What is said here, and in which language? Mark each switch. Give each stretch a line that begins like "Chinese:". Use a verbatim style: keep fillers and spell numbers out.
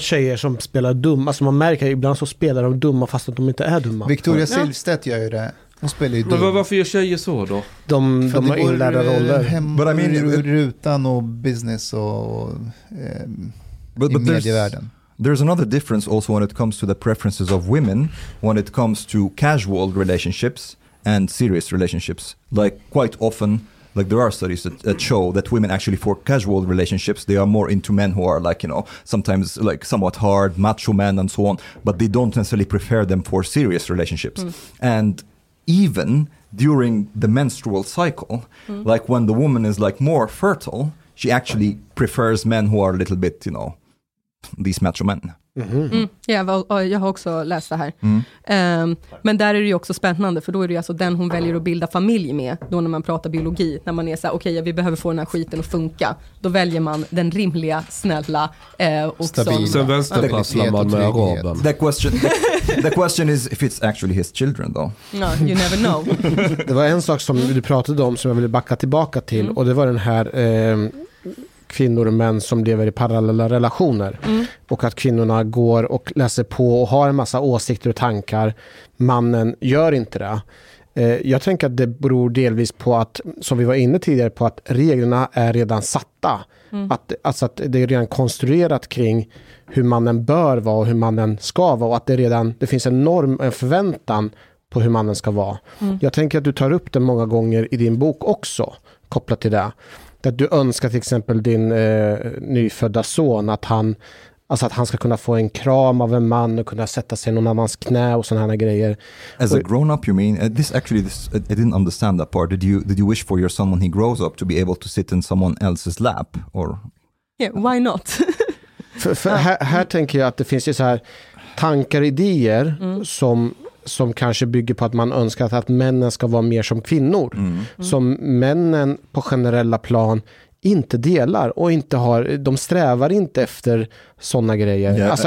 Swedish: tjejer som spelar dumma? Alltså man märker ibland så spelar de dumma fast att de inte är dumma. Victoria Silvstedt gör ju det. Hon spelar ju dumma. Men varför gör tjejer så då? De, de har inlärda roller. Hem,
English: I mean,
Swedish: rutan och business och eh, but, i but medievärlden.
English: There's another difference also when it comes to the preferences of women, when it comes to casual relationships and serious relationships. Like quite often Like there are studies that, that show that women actually for casual relationships, they are more into men who are like, you know, sometimes like somewhat hard, macho men and so on, but they don't necessarily prefer them for serious relationships. Mm. And even during the menstrual cycle, mm. like when the woman is like more fertile, she actually prefers men who are a little bit, you know, these macho men. Mm-hmm.
Swedish: Mm, ja, jag har också läst det här. Mm. Um, men där är det ju också spännande, för då är det ju alltså den hon väljer att bilda familj med, då när man pratar biologi, när man är så här, okej, okay, vi behöver få den här skiten att funka, då väljer man den rimliga, snälla eh, och stabila. Sen vänsterpasslar man med araben.
English: The question, the, the question is if it's actually his children though. No, you never know.
Swedish: Det var en sak som du pratade om som jag ville backa tillbaka till, mm. och det var den här... Eh, kvinnor och män som lever i parallella relationer. Mm. Och att kvinnorna går och läser på och har en massa åsikter och tankar. Mannen gör inte det. Eh, jag tänker att det beror delvis på att, som vi var inne tidigare på, att reglerna är redan satta. Mm. Att, alltså att det är redan konstruerat kring hur mannen bör vara och hur mannen ska vara. Och att det redan, det finns en norm, en förväntan på hur mannen ska vara. Mm. Jag tänker att du tar upp det många gånger i din bok också, kopplat till det. Att du önskar till exempel din eh, nyfödda son att han, alltså att han ska kunna få en kram av en man och kunna sätta sig i någon annans knä och sådana här grejer.
English: As a grown-up you mean? Uh, this actually, this, I didn't understand that part. Did you, did you wish for your son when he grows up to be able to sit in someone else's lap? Or? Yeah, why not?
Swedish: för, för här, här tänker jag att det finns ju så här tankar, idéer mm. som... som kanske bygger på att man önskar att männen ska vara mer som kvinnor. Mm. Mm. Som männen på generella plan inte delar och inte har, de strävar inte efter sådana grejer. Yeah.